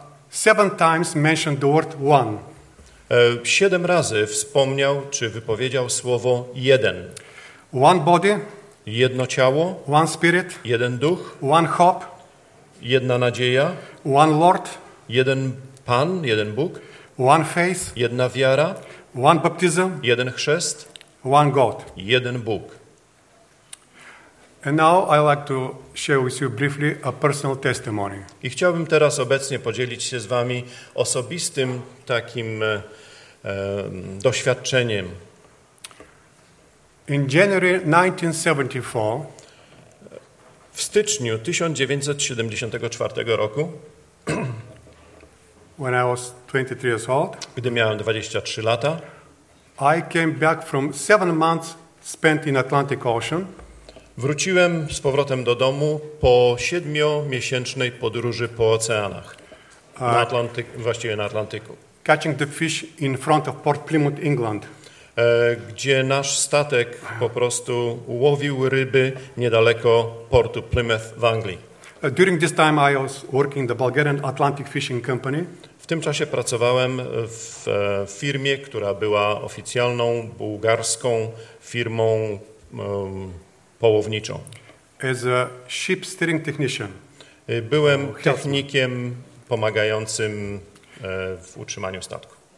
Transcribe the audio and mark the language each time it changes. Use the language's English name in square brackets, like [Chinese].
[English] Seven times mentioned the word one. [Polish] 7 razy wspomniał czy wypowiedział słowo jeden. [English] One body. [Polish] Jedno ciało. [English] One spirit. [Polish] Jeden duch. [English] One hope. [Polish] Jedna nadzieja. [English] One Lord. [Polish] Jeden Pan, jeden Bóg. [English] One faith. [Polish] Jedna wiara. [English] One baptism. [Polish] Jeden chrzest. [English] One God. [Polish] Jeden Bóg. [English] And now I like to share with you briefly a personal testimony. [Polish] I chciałbym teraz obecnie podzielić się z wami osobistym takim doświadczeniem. [English] In January 1974. [Polish] W styczniu 1974 roku. [English] When I was 23 years old. [Polish] Gdy miałem 23 lata. [English] I came back from 7 months spent in Atlantic Ocean. [Polish] Wróciłem z powrotem do domu po 7-miesięcznej podróży po oceanach. Na Atlantyku. [English] Catching the fish in front of Port Plymouth, England. [Polish] Gdzie nasz statek po prostu łowił ryby niedaleko portu Plymouth w Anglii. [English] During this time I was working the Bulgarian Atlantic Fishing Company. [Polish] W tym czasie pracowałem w firmie, która była oficjalną bułgarską firmą połowniczą. [English] As a ship steering technician. [Polish] Byłem technikiem pomagającym w utrzymaniu statku.